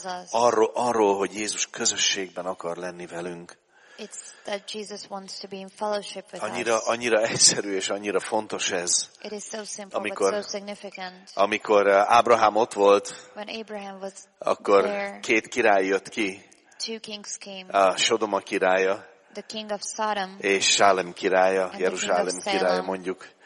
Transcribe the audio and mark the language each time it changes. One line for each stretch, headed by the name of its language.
Hungarian: Arról, hogy Jézus közösségben akar lenni velünk.
English: It's that Jesus wants to be in fellowship with
Hungarian: annyira,
English: us.
Hungarian: Annyira egyszerű és annyira fontos ez.
English: It is so simple,
Hungarian: amikor,
English: but so significant.
Hungarian: Amikor Ábrahám ott volt,
English: when Abraham was
Hungarian: akkor
English: there,
Hungarian: két király jött ki.
English: Two kings came.
Hungarian: A Sodoma királya,
English: the king of Sodom,
Hungarian: és Sálem királya, Jeruzsálem királya mondjuk.